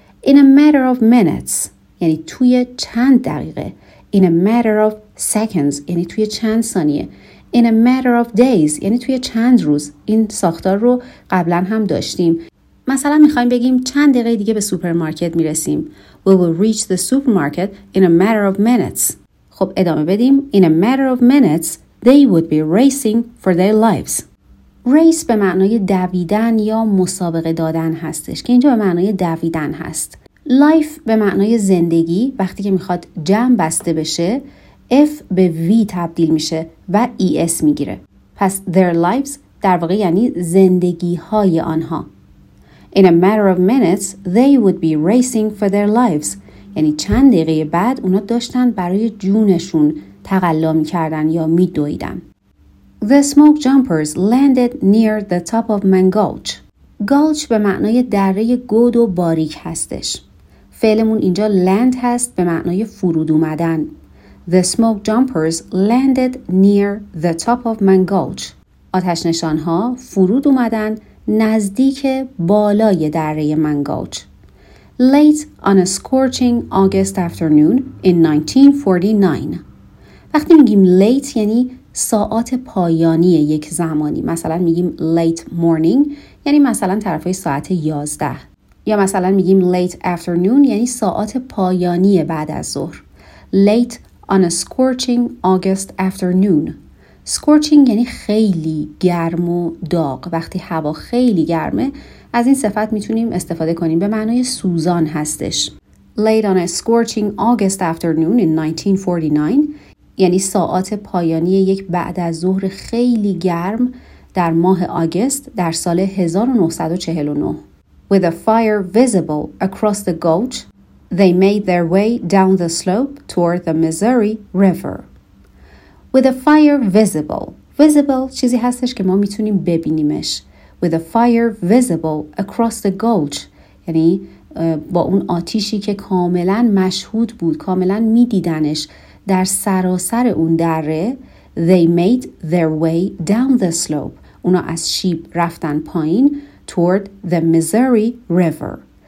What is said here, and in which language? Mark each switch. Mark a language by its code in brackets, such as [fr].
[en] In a matter of minutes, [fa] یعنی توی چند دقیقه. [en] In a matter of seconds, [fa] یعنی توی چند ثانیه. [en] In a matter of days, [fa] یعنی توی چند روز. این ساختار رو قبلا هم داشتیم. مثلا میخواییم بگیم چند دقیقه دیگه به سوپرمارکت میرسیم. [en] We will reach the supermarket in a matter of minutes. [fa] خب ادامه بدیم. [en] In a matter of minutes, they would be racing for their lives. [fa] Race به معنای دویدن یا مسابقه دادن هستش که اینجا به معنای دویدن هست. Life به معنای زندگی وقتی که میخواد جمع بسته بشه F به V تبدیل میشه و ES میگیره. پس [en] their lives [fa] در واقع یعنی زندگی های آنها. [en] In a matter of minutes, they would be racing for their lives. [fa] یعنی چند دقیقه بعد اونا داشتن برای جونشون تقلا میکردن یا میدویدن. [en] The smoke jumpers landed near the top of Mangalch. [fa] Gulch به معنای دره گود و باریک هستش. فعلمون اینجا land هست به معنای فرود اومدن. [en] The smoke jumpers landed near the top of Mangalch. [fa] آتش نشانها فرود اومدن نزدیک بالای دره منگالچ. [en] Late on a scorching August afternoon in 1949. [fa] وقتی میگیم late یعنی ساعت پایانی یک زمانی. مثلا میگیم late morning یعنی مثلا طرفای ساعت 11. یا مثلا میگیم late afternoon یعنی ساعت پایانی بعد از ظهر. [en] Late on a scorching August afternoon. [fa] Scorching یعنی خیلی گرم و داغ. وقتی هوا خیلی گرمه از این صفت میتونیم استفاده کنیم، به معنای سوزان هستش. [en] Late on a scorching August afternoon in 1949 [fa] یعنی ساعت پایانی یک بعد از ظهر خیلی گرم در ماه آگست در سال 1949. [en] With a fire visible across the gulch, they made their way down the slope toward the Missouri River. With a fire visible. [fa] Visible چیزی هستش که ما میتونیم ببینیمش. [en] With a fire visible across the gulch. [fa] یعنی با اون آتیشی که کاملا مشهود بود، کاملا میدیدنش در سراسر اون دره. They made their way down the slope. اونا از شیب رفتن پایین toward the Missouri River.